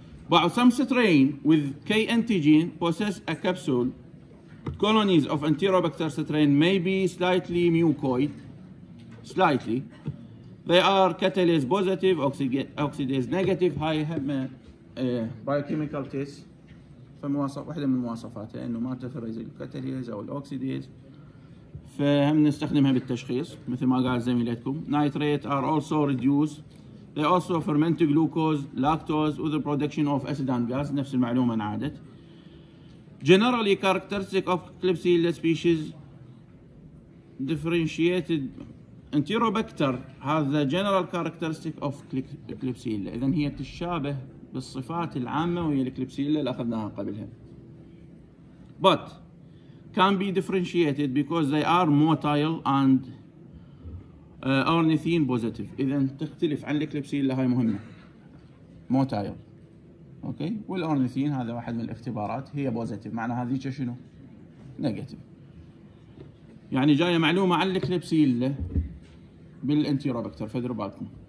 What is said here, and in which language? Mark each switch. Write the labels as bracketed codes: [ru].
[en] باعوا some strain with K antigen possess a capsule colonies of enterobacter strain maybe slightly mucoid slightly they are catalase positive oxidase negative high biochemical test. [ar] فمواصف واحدة من مواصفاتها إنه ما تفرز الكاتاليز أو الأوكسيديز، فهم نستخدمها بالتشخيص مثل ما قال زميلتكم. [en] Nitrate are also reduced. They also ferment glucose, lactose, with the production of acid and gas. [ar] نفس المعلومة انعادت. [en] Generally characteristic of Klebsiella species differentiated Enterobacter has the general characteristic of Klebsiella. [ar] إذن هي تشابه بالصفات العامة وهي الكليبسيلا اللي أخذناها قبلها. [en] But can be differentiated because they are motile and ornithine positive. [ar] إذن تختلف عن الكليبسيلا هاي مهمة. [en] Motile. Okay. [ar] والأورنيثين هذا واحد من الاختبارات هي positive. معنى هذي شنو؟ negative. يعني جاية معلومة عن الكليبسيلا بالانتيروبكتر فدروا بالكم.